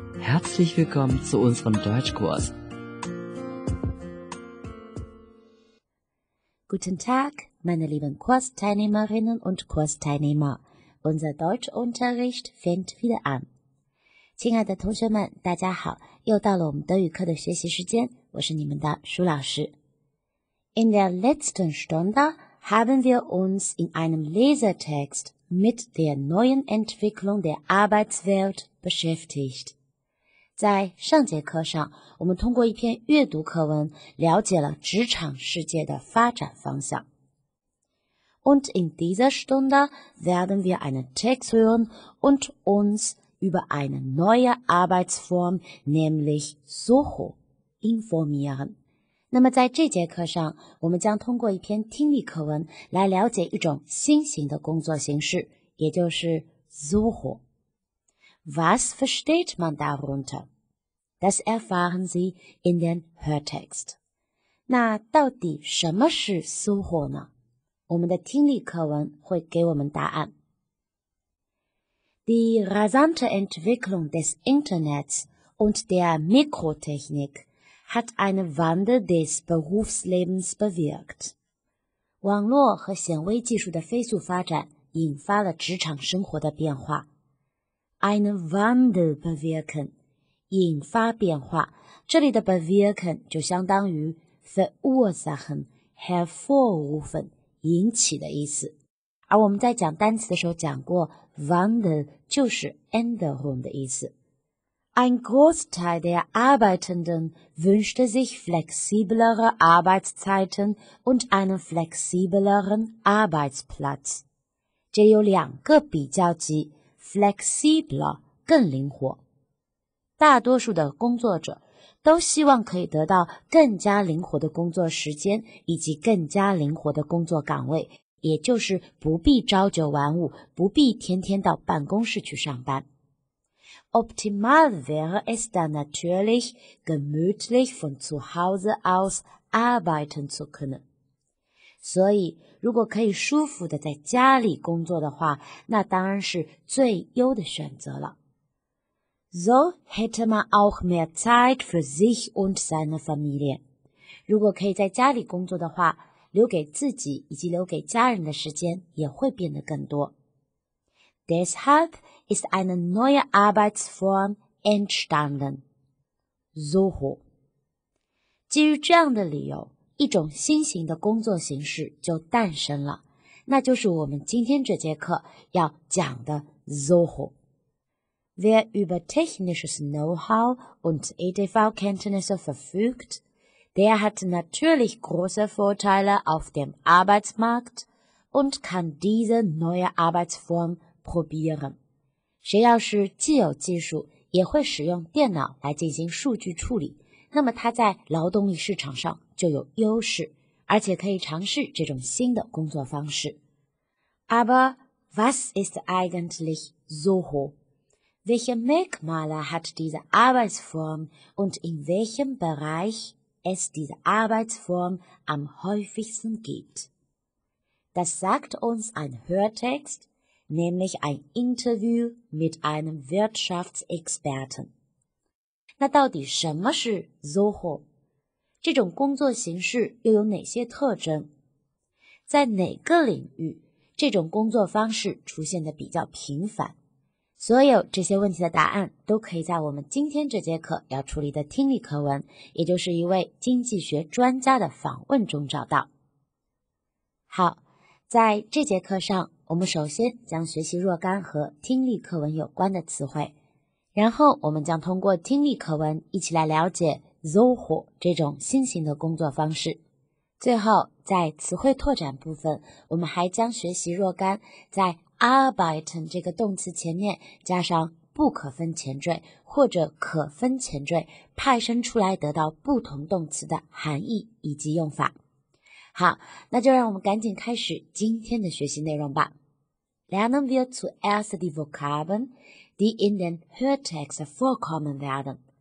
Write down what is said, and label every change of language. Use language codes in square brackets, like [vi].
[de] Herzlich willkommen zu unserem Deutschkurs. Guten Tag, meine lieben Kursteilnehmerinnen und Kursteilnehmer. Unser Deutschunterricht fängt wieder an. [zh] 亲爱的同学们，大家好，又到了我们德语课的学习时间，我是你们的舒老师。 [de] In der letzten Stunde haben wir uns in einem Lesetext mit der neuen Entwicklung der Arbeitswelt beschäftigt. [zh] 在上节课上，我们通过一篇阅读课文了解了职场世界的发展方向。 [de] Und in dieser Stunde werden wir einen Text hören und uns über eine neue Arbeitsform, nämlich Soho, informieren. [zh] 那么在这节课上，我们将通过一篇听力课文来了解一种新型的工作形式，也就是 Soho。 [de] Was versteht man darunter? Das erfahren Sie in den Hörtext. [zh] 那到底什么是 Soho 呢？我们的听力课文会给我们答案。 [de] Die rasante Entwicklung des Internets und der Mikrotechnik hat einen Wandel des Berufslebens bewirkt. [zh] 网络和显微技术的飞速发展引发了职场生活的变化。 [de] Einen Wandel bewirken, [zh] 引发变化。这里的 bewirken 就相当于 verursachen, hervorrufen, 引起的意思。而我们在讲单词的时候讲过 Wandel 就是 Änderung 的意思。 [de] Ein Großteil der Arbeitenden wünschte sich flexiblere Arbeitszeiten und einen flexibleren Arbeitsplatz. [zh] 这有两个比较级 flexibler 更灵活。大多数的工作者都希望可以得到更加灵活的工作时间以及更加灵活的工作岗位。也就是不必朝九晚五，不必天天到办公室去上班。 [de] Optimal wäre es dann natürlich, gemütlich von zu Hause aus arbeiten zu können. [zh] 所以，如果可以舒服地在家里工作的话，那当然是最优的选择了。 [de] So hätte man auch mehr Zeit für sich und seine Familie. [zh] 如果可以在家里工作的话，留给自己以及留给家人的时间也会变得更多。 [de] Deshalb ist eine neue Arbeitsform entstanden. Soho. [zh] 基于这样的理由，一种新型的工作形式就诞生了，那就是我们今天这节课要讲的 Soho。 [de] Wer über technisches Know-how und EDV-Kenntnisse verfügt,Der hat natürlich große Vorteile auf dem Arbeitsmarkt und kann diese neue Arbeitsform probieren. [zh] 谁要是既有技术，也会使用电脑来进行数据处理，那么他在劳动力市场上就有优势，而且可以尝试这种新的工作方式。 [de] Aber was ist eigentlich Soho? Welche Merkmale hat diese Arbeitsform und in welchem Bereich? Es diese Arbeitsform am häufigsten gibt. Das sagt uns ein Hörtext, nämlich ein Interview mit einem Wirtschaftsexperten. [zh] 那到底什么是 Soho? 这种工作形式又有哪些特征? 在哪个领域这种工作方式出现的比较频繁? 所有这些问题的答案都可以在我们今天这节课要处理的听力课文，也就是一位经济学专家的访问中找到。好，在这节课上，我们首先将学习若干和听力课文有关的词汇，然后我们将通过听力课文一起来了解 Zoho 这种新型的工作方式。最后，在词汇拓展部分，我们还将学习若干在Arbeiten 这个动词前面加上不可分前缀或者可分前缀派生出来得到不同动词的含义以及用法。好，那就让我们赶紧开始今天的学习内容吧。 [de] Lernen wir zuerst die Vokabeln, die in den Hörtext vorkommen werden.